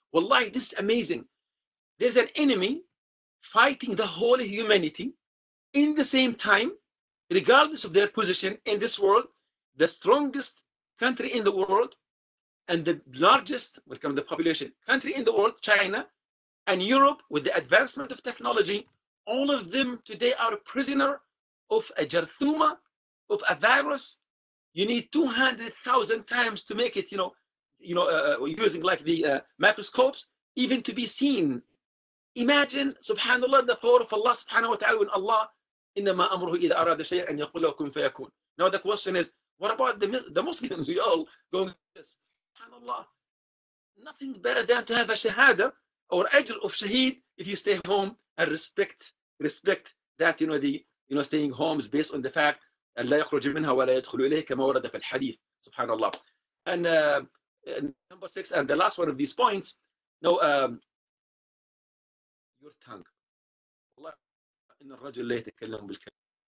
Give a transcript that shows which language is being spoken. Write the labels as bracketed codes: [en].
[en] Wallahi, this is amazing. There's an enemy fighting the whole humanity in the same time, regardless of their position in this world, the strongest country in the world and the largest, welcome the population, country in the world, China, and Europe, with the advancement of technology, all of them today are prisoner of a jarthuma, of a virus. You need 200,000 times to make it, using like the microscopes, even to be seen. Imagine, subhanAllah, the power of Allah, subhanahu wa ta'ala, when Allah [ar] إنما أمره إذا أراد شيئا أن يقول لكم فيكون. [en] Now the question is, what about the Muslims? We all going this. سبحان الله. Nothing better than to have a shahada or ajr of shaheed if you stay home and respect that, you know, the, you know, staying home is based on the fact [ar] أن لا يخرج منها ولا يدخل إليه كما ورد في الحديث. [en] سبحان الله. And number six and the last one of these points. Now, your tongue. [ar] إن الرجل لا يتكلم بالكلام.